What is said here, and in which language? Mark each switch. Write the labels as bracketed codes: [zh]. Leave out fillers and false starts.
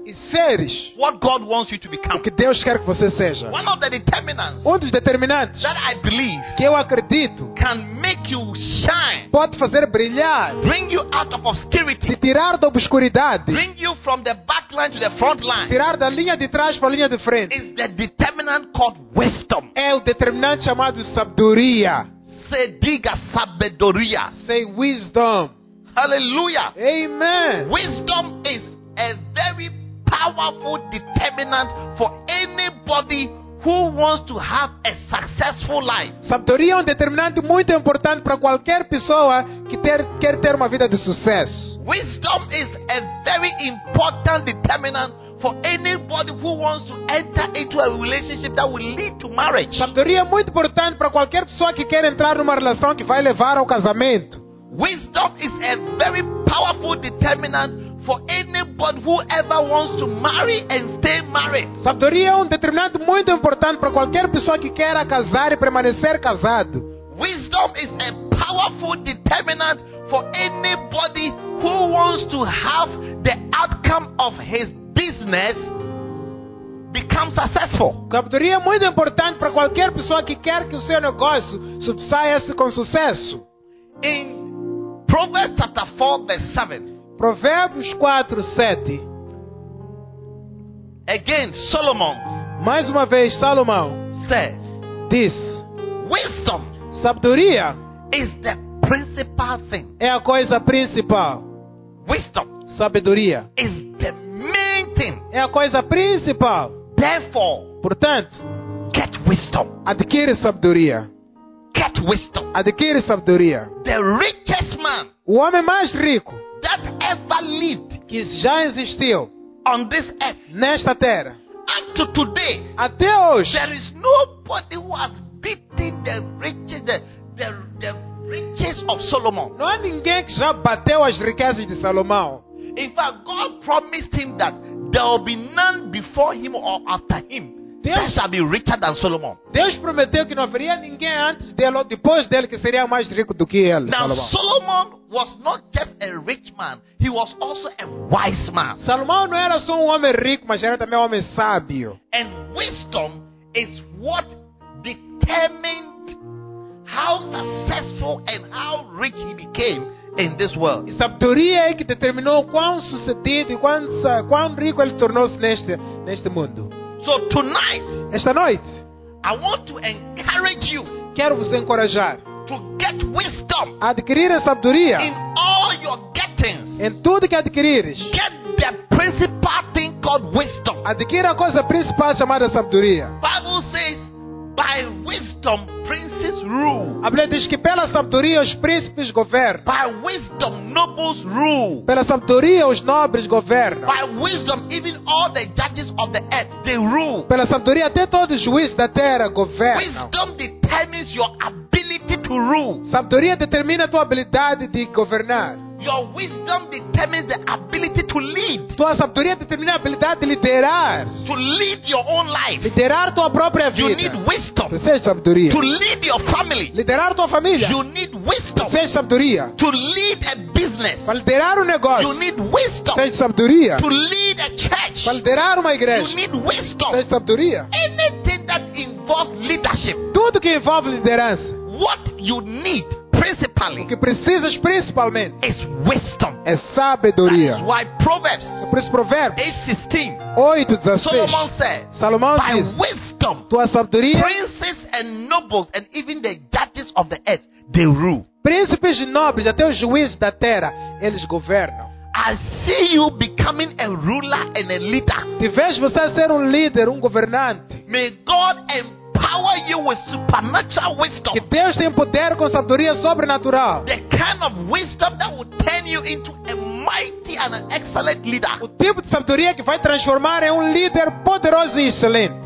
[pt] E seres [en] what God wants you to become. [pt] O que Deus quer que você seja. [en] One of the determinants. [pt] Dos determinantes [en] that I believe. [pt] Que eu acredito. [en] Can make you shine. [pt] Pode fazer brilhar. [en] Bring you out of obscurity. [pt] Te tirar da obscuridade. [en] Bring you from the back line to the front line. [pt] Tirar da linha de trás para a linha de frente. [en] Is the determinant called wisdom. [pt] É o determinante chamado sabedoria. Se diga sabedoria. [en] Say wisdom. Hallelujah. Amen. Wisdom is a very powerful determinant for anybody who wants to have a successful life. [pt] Sabedoria é determinante muito importante para qualquer pessoa que quer ter uma vida de sucesso. [en] Wisdom is a very important determinant for anybody who wants to enter into a relationship that will lead to marriage. [pt] Sabedoria é muito importante para qualquer pessoa que quer entrar numa relação que vai levar ao casamento. [en] Wisdom is a very powerful determinant for anybody who ever wants to marry and stay married. [pt] Sabedoria é determinante muito importante para qualquer pessoa que queira casar e permanecer casado. [en] Wisdom is a powerful determinant for anybody who wants to have the outcome of his business become successful. [pt] Sabedoria é muito importante para qualquer pessoa que quer que o seu negócio subsaia com sucesso. [en] In Proverbs chapter 4 verse 7. [pt] Provérbios 4, 7. [en] Again, Solomon. [pt] Mais uma vez, Salomão. [en] Said. [pt] Diz. [en] Wisdom. [pt] Sabedoria. [en] Is the principal thing. [pt] É a coisa principal. [en] Wisdom. [pt] Sabedoria. [en] Is the main thing. [pt] É a coisa principal. [en] Therefore. [pt] Portanto. [en] Get wisdom. [pt] Adquire sabedoria. [en] Get wisdom. [pt] Adquire sabedoria. [en] The richest man. [pt] O homem mais rico. [en] That ever lived, [pt] que já existiu [en] on this earth, [pt] nesta terra, [en] up to today, [pt] até hoje, [en] there is nobody who has beaten the riches of Solomon. [pt] Não há ninguém que já bateu as riquezas de Salomão. [en] In fact, God promised him that there will be none before him or after him. [pt] Deus [en] shall be richer than Solomon. [pt] Deus prometeu que não haveria ninguém antes dele ou depois dele que seria mais rico do que ele. [en] Now, [pt] Salomão. [en] Solomon was not just a rich man, he was also a wise man. [pt] Salomão não era só homem rico, mas era também homem sábio. [en] And wisdom is what determined how successful and how rich he became in this world. [pt] E sabedoria é que determinou quão sucedido e quão rico ele tornou-se neste mundo. [en] So tonight, [pt] esta noite, [en] I want to encourage you. [pt] Quero vos encorajar. [en] To get wisdom. [pt] Adquirir a sabedoria. [en] In all your gettings. [pt] Em tudo que adquirires. [en] Get the principal thing called wisdom. [pt] Adquira a coisa principal chamada sabedoria. [en] Bible says, by wisdom princes rule. [pt] A Bíblia diz que pela sabedoria os príncipes governam. [en] By wisdom nobles rule. [pt] Pela sabedoria os nobres governam. [en] By wisdom even all the judges of the earth they rule. [pt] Pela sabedoria até todos os juízes da terra governam. [en] Wisdom determines your ability to rule. [pt] Sabedoria determina tua habilidade de governar. [en] Your wisdom determines the ability to lead. [pt] Tua sabedoria determina a habilidade de liderar. [en] To lead your own life. [pt] Liderar tua própria vida. [en] You need wisdom. [pt] Precisa de sabedoria. [en] To lead your family. [pt] Liderar tua família. [en] You need wisdom. [pt] Precisa de sabedoria. [en] To lead a business. [pt] Para liderar negócio. [en] You need wisdom. [pt] Precisa de sabedoria. [en] To lead a church. [pt] Para liderar igreja. [en] You need wisdom. [pt] Precisa de sabedoria. [en] Anything that involves leadership. [pt] Tudo que envolve liderança. [en] What you need. Principally, [pt] o que precisas principalmente [en] is wisdom. [pt] É sabedoria. [en] That is why Proverbs, [pt] é por isso Provérbios [en] 8:16, [pt] 8:16, [en] Solomon said, [pt] Salomão [en] by [pt] diz, [en] wisdom, [pt] tua sabedoria, [en] princes and nobles and even the judges of the earth they rule. [pt] Príncipes e nobres até os juízes da terra eles governam. [en] I see you becoming a ruler and a leader. [pt] Te vejo você ser líder, governante. [en] May God empower you with supernatural wisdom. [pt] Que Deus tem poder com sabedoria sobrenatural. [en] The kind of wisdom that will turn you into a mighty and an excellent leader. [pt] O tipo de sabedoria que vai transformar em líder poderoso e excelente.